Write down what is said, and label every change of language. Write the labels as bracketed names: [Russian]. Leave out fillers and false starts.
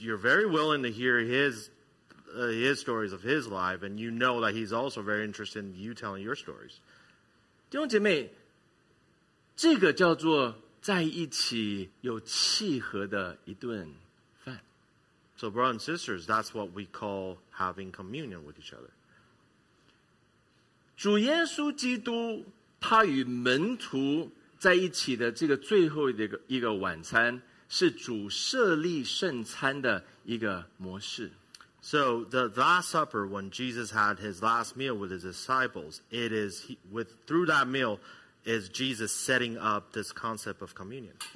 [English] very willing to hear his stories of his life, and you know that he's also very interested in you telling your stories. [Chinese] 弟兄姐妹。这个叫做在一起有契合的一顿饭。 [English] So brothers and sisters, that's what we call having communion with each other. [Chinese] 主耶稣基督他与门徒在一起的这个最后的一个晚餐是主设立圣餐的一个模式。 [English] So the Last Supper, when Jesus had his last meal with his disciples, it is through that meal is Jesus setting up this concept of communion.